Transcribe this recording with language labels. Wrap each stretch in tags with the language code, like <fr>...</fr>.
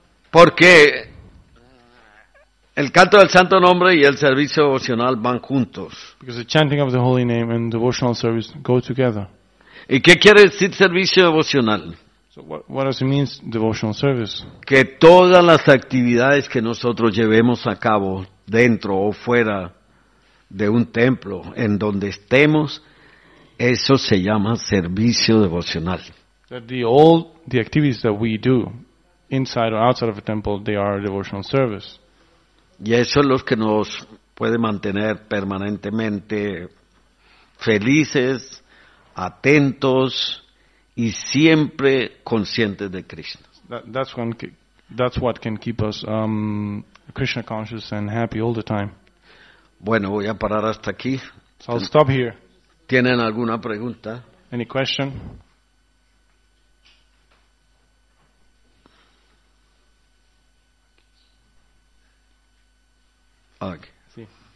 <es>Porque el canto del santo nombre y el servicio devocional van juntos.</es> <en>Because the chanting of the holy name and devotional service go together.</en> <es>¿Y qué quiere decir servicio devocional?</es> <en>So what does it mean, devotional service?</en> <es>Que todas las actividades que nosotros llevemos a cabo dentro o fuera de un templo en donde estemos, eso se llama servicio devocional.</es> <en>That all the activities that we do inside or outside of a temple, they are a devotional service.</en> <es>Y eso es lo que nos puede mantener permanentemente felices, atentos y siempre conscientes de Krishna.</es> <en>That's what can keep us Krishna conscious and happy all the time.</en> <es>Bueno, voy a parar hasta aquí.</es> <en>So I'll stop here.</en> <es>¿Tienen alguna pregunta?</es> <en>Any question? Okay.</en> <es>Sí.</es>